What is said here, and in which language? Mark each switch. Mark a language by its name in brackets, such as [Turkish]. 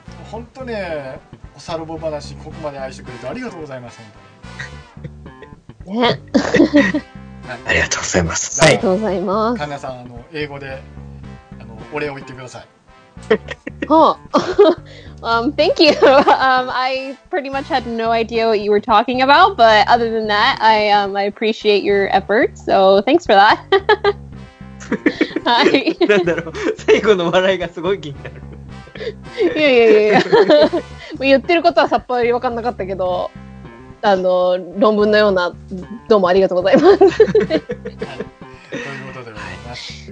[Japanese] 本当ね、おさるぼ話ここまで愛してくれてありがとうございます。ね、ありがとうございます。ありがとうございます。かなさん、あの英語であのお礼を言ってください。 [English] thank you. I pretty much had no idea what you were talking about, but other than that, I appreciate your effort. So thanks for that. [Japanese] なんだろう、最後の笑いがすごい気になる。いや言ってることはさっぱり分かんなかったけど、あの論文のようなどうもありがとうございます。ということでございます。